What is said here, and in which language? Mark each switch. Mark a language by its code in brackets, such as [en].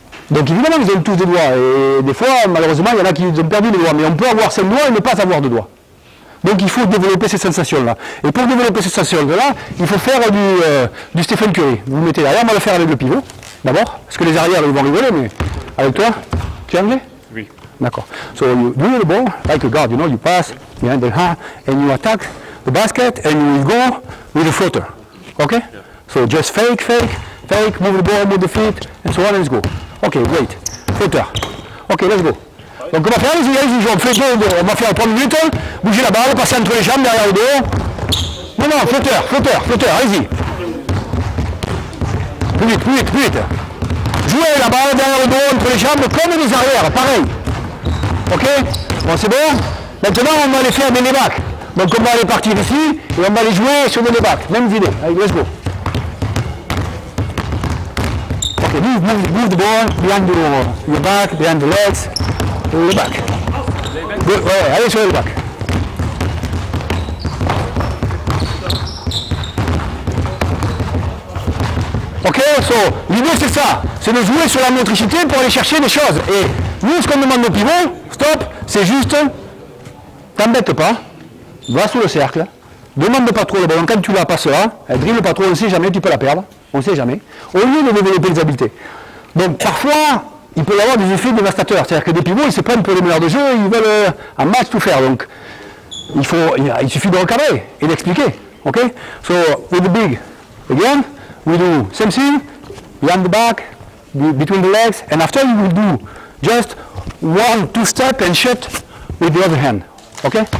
[fr] Donc évidemment, ils ont tous des doigts. Et des fois, malheureusement, il y en a qui ont perdu des doigts. Mais on peut avoir 5 doigts et ne pas avoir 2 doigts. Donc il faut développer ces sensations-là. Et pour développer ces sensations-là, il faut faire du Stephen Curry. Vous vous mettez derrière, on va le faire avec le pivot, d'abord. Parce que les arrières, ils vont rigoler, mais avec toi, tu es anglais ? Oui. D'accord. [en] So you do the ball, like a guard, you know, you pass, you handle the hand, and you attack the basket, and you go with a floater. Okay? Yeah. So just fake, move the ball, move the feet, and so on, and let's go. Ok, great. Flotteur. Ok, let's go. [fr] Donc on va faire les yeux, on fait 2 ou 2. On va faire 3 minutes, bouger la balle, passer entre les jambes, derrière le dos. Non, non, flotteur, allez-y. Plus vite. Jouez la balle derrière le dos, entre les jambes, comme les arrières, pareil. Ok, bon, c'est bon. Maintenant, on va aller faire des lay-back. Donc on va aller partir ici, et on va aller jouer sur des lay-back. Même vidéo. Allez, [en] let's go. Move the ball behind your back, behind the legs, the back. [fr] Good, allez sur le back. Ok, so, l'idée c'est ça, c'est de jouer sur la motricité pour aller chercher des choses. Et nous, ce qu'on demande au pivot, stop, c'est juste, t'embête pas, va sous le cercle, demande pas trop le ballon, quand tu la passeras, elle drille pas trop, on sait jamais, tu peux la perdre, on sait jamais, au lieu de développer les habiletés. Donc parfois, il peut y avoir des effets dévastateurs, c'est-à-dire que des pivots, ils se prennent pour les meilleurs de jeu, ils veulent un match tout faire, donc il suffit de recadrer et d'expliquer, ok? [en] So, with the big, again, we do same thing, behind the back, between the legs, and after you will do just 1-2 step and shift with the other hand, ok?